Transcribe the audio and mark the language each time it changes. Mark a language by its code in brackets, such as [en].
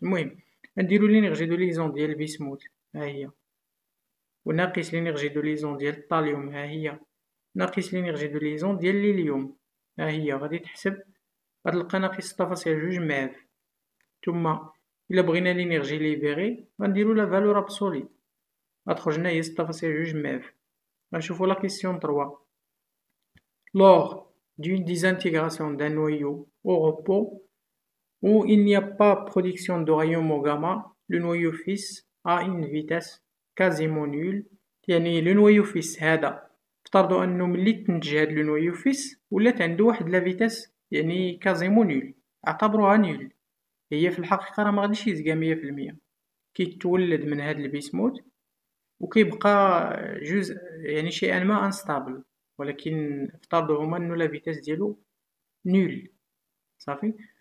[ar] المهم نديرو لينيرجي دو ليزون ديال بيسموت ها هي وناقص لينيرجي دو ليزون ديال الطاليوم ها هي ناقص لينيرجي دو ليزون ديال لي اليوم ها هي. غادي تحسب غتلقى ناقص 6.2 ميف. ثم إلا بغينا لينيرجي ليبيغي غنديرو لا فالور أبسولي غتخرجنا هي 6.2 ميف. غنشوفو لا كيسيون 3. [fr] Lors d'une désintégration d'un noyau au repos où il n'y a pas production de rayons gamma, le noyau fils a une vitesse quasiment nulle. [ar] يعني [fr] le noyau fils [ar] هذا افترضوا انه ملي تنتج هذا لو نويو فيس ولات عنده واحد لا فيتاس يعني كازيمو نول اعتبروها نول. هي في الحقيقه راه ما غاديش يزكى 100% كيتولد من هذا البيسموت وكيبقى جزء يعني شيئا ما انستابل ولكن افترضوا هما انه لا فيتاس ديالو نول صافي.